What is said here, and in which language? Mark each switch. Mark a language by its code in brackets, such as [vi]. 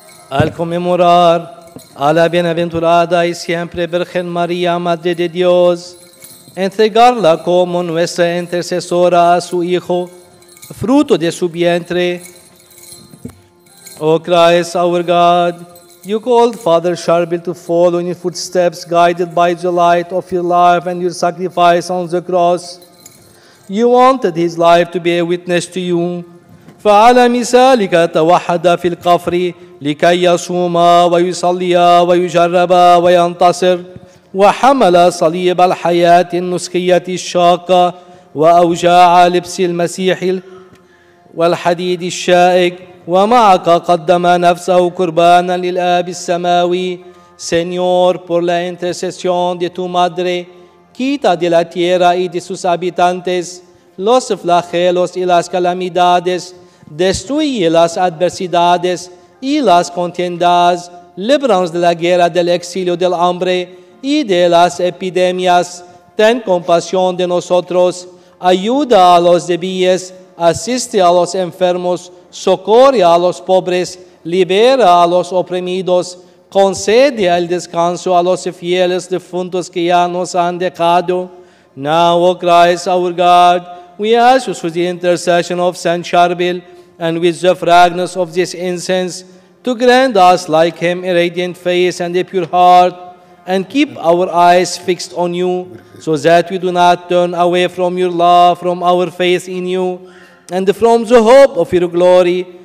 [es] Al conmemorar a la bienaventurada y siempre Virgen María, Madre de Dios, entregarla como nuestra intercesora a su Hijo, fruto de su vientre. [en] O Christ, our God, you called Father Sharbel to follow in your footsteps, guided by the light of your life and your sacrifice on the cross. You wanted his life to be a witness to you. [ar] فَعَلَى مِسَالِكَ تَوَحَّدَ فِي الْقَفْرِ لِكَيْ يَصُومَ وَيُصَلِّيَ وَيُجَرَّبَ وَيَنْتَصِرْ وحمل صليب الحياة النسخية الشاقة وأوجاع لبس المسيح والحديد الشائك ومعك قدم نفسه قربانا للآب السماوي. [es] Señor, por la intercesión de tu madre, quita de la tierra y de sus habitantes los flagelos y las calamidades, destruye las adversidades y las contiendas, líbranos de la guerra, del exilio, del hambre y de las epidemias. Ten compasión de nosotros, ayuda a los débiles, asiste a los enfermos, socorre a los pobres, libera a los oprimidos, concede el descanso a los fieles difuntos que ya nos han dejado. [en] Now, O Christ, our God, we ask you through the intercession of Saint Sharbel and with the fragrance of this incense to grant us like him a radiant face and a pure heart, and keep our eyes fixed on you, so that we do not turn away from your love, from our faith in you, and from the hope of your glory.